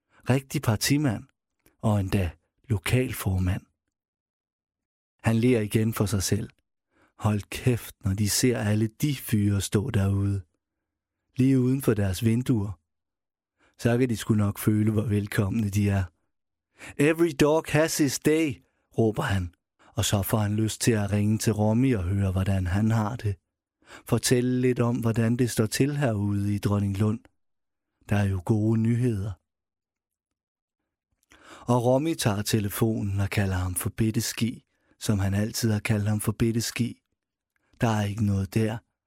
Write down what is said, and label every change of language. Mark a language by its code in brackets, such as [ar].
[da] Rigtig partimand, og endda lokalformand. Han ler igen for sig selv. Hold kæft, når de ser alle de fyre stå derude. Lige uden for deres vinduer. Så kan de sgu nok føle, hvor velkomne de er. [en] Every dog has his day, [da] råber han. Og så får han lyst til at ringe til Romy og høre, hvordan han har det. Fortælle lidt om, hvordan det står til herude i Dronninglund. Der er jo gode nyheder. Og Romy tager telefonen og kalder ham for Bitteski, som han altid har kaldt ham for Bitteski. Der er ikke noget der.